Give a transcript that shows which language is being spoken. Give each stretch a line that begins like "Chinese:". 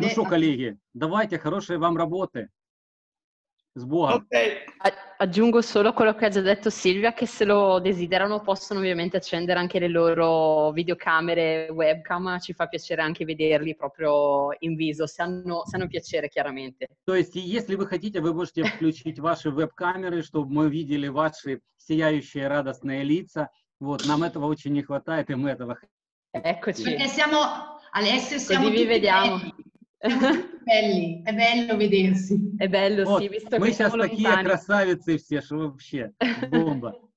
Russian: Ну что, коллеги, давайте хорошей вам работы. С Богом.
English: Okay.
Italian: Aggiungo solo quello che ha già detto Silvia, che se lo desiderano possono ovviamente accendere anche le loro videocamere webcam, ci fa piacere anche vederli proprio in viso, se hanno piacere chiaramente.
Russian: То есть, если вы хотите, вы можете включить ваши веб-камеры, чтобы мы видели ваши сияющие радостные лица. Вот, нам этого очень не хватает, и мы этого хотим.
Italian: Eccoci. Perché siamo, Alessio, siamo tutti belli. Belli, è bello vedersi. È bello, вот, sì, visto
Russian: мы
Italian: che
Russian: сейчас
Italian: siamo
Russian: такие
Italian: lontani.
Russian: Красавицы все, что вообще, бомба.